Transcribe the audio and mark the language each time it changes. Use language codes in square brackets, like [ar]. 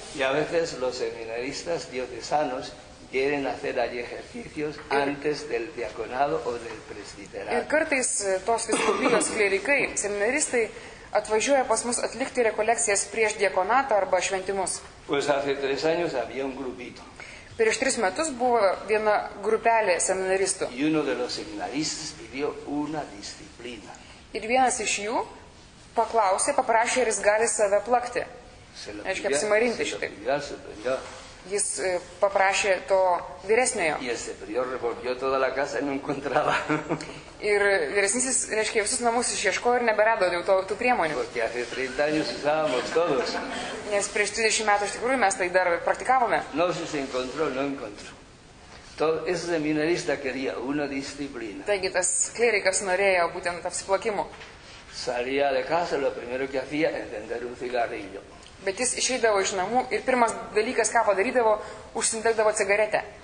[es] Y a veces los seminaristas diocesanos quieren hacer allí ejercicios antes del diaconado o del presbiterato. [lt] Ir kartais tos vyskupijos klierikai, seminaristai, atvažiuoja pas mus atlikti rekolekcijas prieš diakonatą arba šventimus. [es] Pues hace tres años había un grupito. [lt] Prieš tris metus buvo viena grupelė seminaristų. [es] Y uno de los seminaristas pidió una disciplina. [lt] Ir vienas iš jų paklausė, paprašė, ar jis gali save plakti. Aiškiai, apsimarinti šitai. Jis paprašė to vyresniojo. [es] Y el superior revolvió toda la casa y no encontraba. [lt] Ir vyresnysis, reiškia, visus namus išieškojo ir neberado jau tų priemonių. [es] Porque hace 30 años usábamos todos. [lt] Nes prieš 30 metų iš tikrųjų mes tai dar praktikavome. [es] No, si se encontró, no encontró. Todo ese seminarista quería una disciplina. [lt] Taigi tas klierikas norėjo būtent apsiplakimo. [es] Salía de casa, lo primero que hacía, encender un cigarrillo. [lt] Bet jis išeidavo iš namų ir pirmas dalykas, ką padarydavo, užsidegdavo cigaretę.